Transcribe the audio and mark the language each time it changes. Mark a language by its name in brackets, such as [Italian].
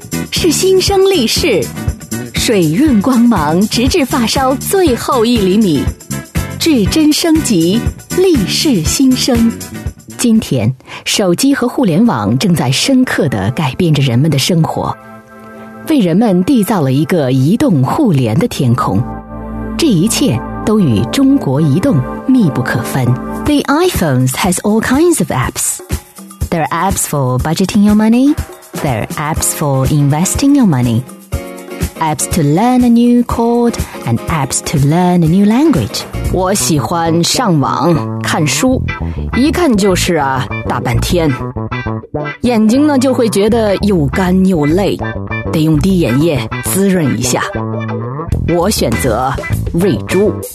[Chinese] 是新生力士水润光芒，直至发梢最后一厘米，至臻升级力士新生。今天手机和互联网正在深刻地改变着人们的生活，为人们缔造了一个移动互联的天空，这一切都与中国移动密不可分。 [English] The iPhones has all kinds of apps. There are apps for budgeting your money. There are apps for investing your money. Apps to learn a new chord and apps to learn a new language. [Chinese] 我喜欢上网看书，一看就是啊大半天，眼睛呢就会觉得又干又累，得用滴眼液滋润一下。我选择瑞珠。